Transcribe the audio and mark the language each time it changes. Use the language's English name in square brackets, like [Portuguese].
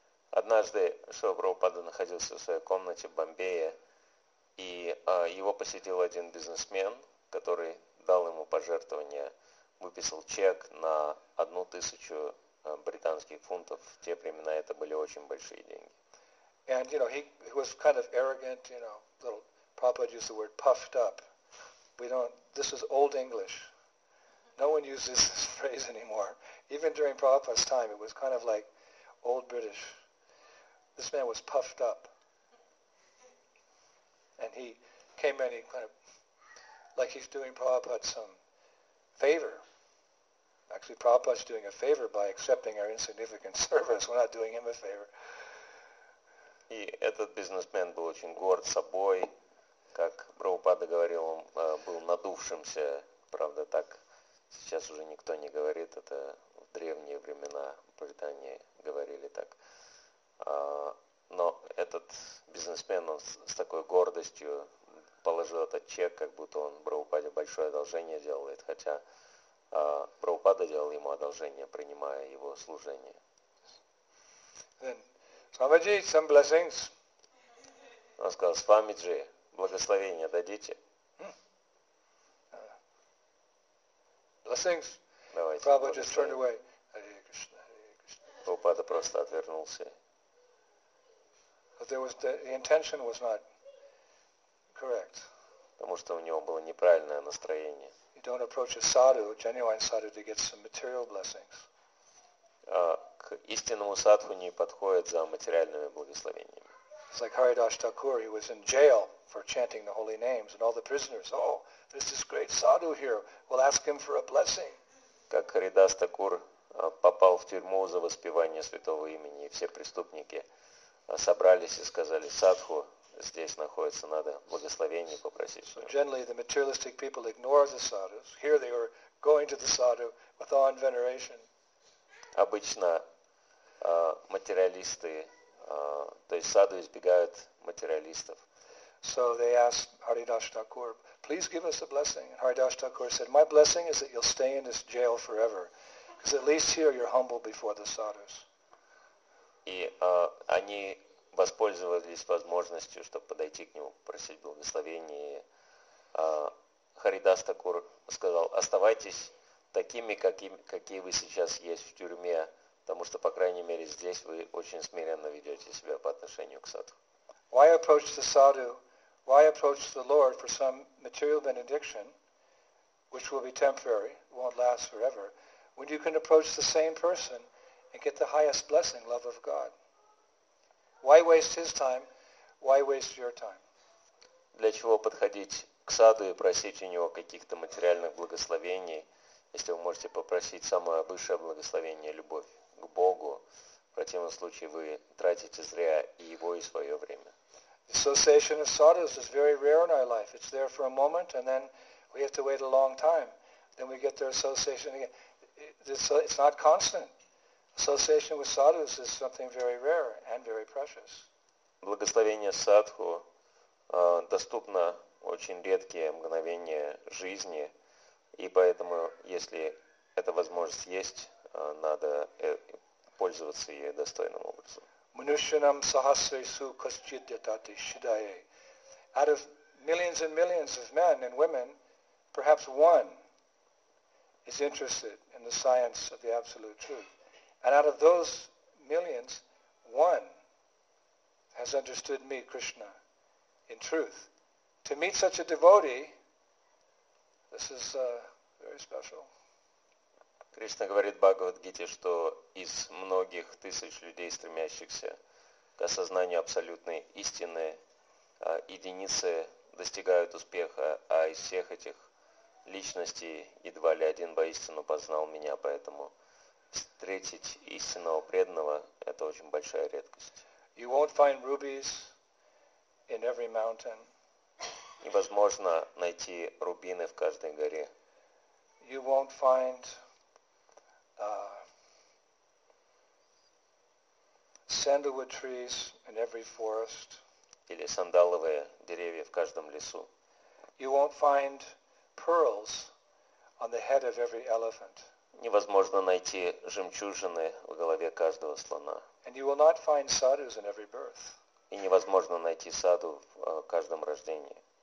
[Russian] Однажды Шрила Прабхупада находился в своей комнате в Бомбее, и его посетил один бизнесмен, который дал ему пожертвование, выписал чек на 1000 британских фунтов. В те времена это были очень большие деньги. [English] And, you know, he was kind of arrogant, you know, little, Prabhupada used the word puffed up. This is old English. No one uses this phrase anymore. Even during Prabhupada's time, it was kind of like old British. This man was puffed up. And he came in, he kind of, like he's doing Prabhupada some favor. Actually, Prabhupada's doing a favor by accepting our insignificant service. We're not doing him a favor. [Russian] И этот бизнесмен был очень горд собой, как Прабхупада говорил, он был надувшимся, правда, так сейчас уже никто не говорит, это в древние времена в Британии говорили так. Но этот бизнесмен, он с такой гордостью положил этот чек, как будто он Прабхупаде большое одолжение делает, хотя Прабхупада делал ему одолжение, принимая его служение. [English] Swamiji, some blessings. [Russian] Он сказал, Свамиджи, благословение дадите. [English] Blessings. [Russian] Давайте. [English] Prabhupada just turned away. [Sanskrit] Hare Krishna, Hare Krishna. [Russian] Прабхупада просто отвернулся. [English] But there was the intention was not correct. [Russian] Потому что у него было неправильное настроение. [English] You don't approach a sadhu, a genuine sadhu, to get some material blessings. [Russian] К истинному садху не подходит за материальными благословениями. [English] It's like Haridash Thakur, he was in jail for chanting the holy names, and all the prisoners, oh, there's this great sadhu here, we'll ask him for a blessing. [Russian] Как Харидас Такур попал в тюрьму за воспевание святого имени, и все преступники собрались и сказали, садху здесь находится, надо благословение попросить. [English] So generally, the materialistic people ignore the sadhus. Here they are going to the sadhu with awe and veneration. [Russian] Обычно материалисты, то есть саду избегают материалистов. [English] So they asked Haridas Thakur, please give us a blessing. And Haridas Thakur said, my blessing is that you'll stay in this jail forever. Because at least here you're humble before the sadhus. [Russian] И они воспользовались возможностью, чтобы подойти к нему, просить благословения. Харидас Такур сказал, оставайтесь такими, какие вы сейчас есть в тюрьме, потому что, по крайней мере, здесь вы очень смиренно ведете себя по отношению к садху. [English] Why approach the sadhu Why approach the Lord for some material benediction, which will be temporary, won't last forever, when you can approach the same person and get the highest blessing, love of God? Why waste his time? Why waste your time? [Russian] Для чего подходить к саду и просить у него каких-то материальных благословений, если вы можете попросить самое высшее благословение, любовь к Богу? В противном случае вы тратите зря и его, и свое время. [English] Association of sadhus is very rare in our life. It's there for a moment, and then we have to wait a long time. Then we get their association again. It's not constant. Association with sadhus is something very rare and very precious. [Russian] Благословение садху доступно очень редкие мгновения жизни, и поэтому, если эта возможность есть, надо пользоваться ей достойным образом. [Sanskrit] Manushyanam sahasresu kaschidyatati shidaye. [English] Out of millions and millions of men and women, perhaps one is interested in the science of the absolute truth. And out of those millions, one has understood me, Krishna, in truth. To meet such a devotee, this is very special. [Russian] Кришна говорит Бхагавад-гите, что из многих тысяч людей, стремящихся к осознанию абсолютной истины, единицы достигают успеха, а из всех этих личностей едва ли один воистину познал меня, поэтому встретить истинного преданного – это очень большая редкость. [English] You won't find rubies in every mountain. [Russian] Невозможно найти рубины в каждой горе. [English] You won't find sandalwood trees in every forest. [Russian] Или сандаловые деревья в каждом лесу. [English] You won't find pearls on the head of every elephant. [Russian] Невозможно найти жемчужины в голове каждого слона. [English] And you will not find sadhus in every birth. [Russian] И невозможно найти саду в каждом рождении.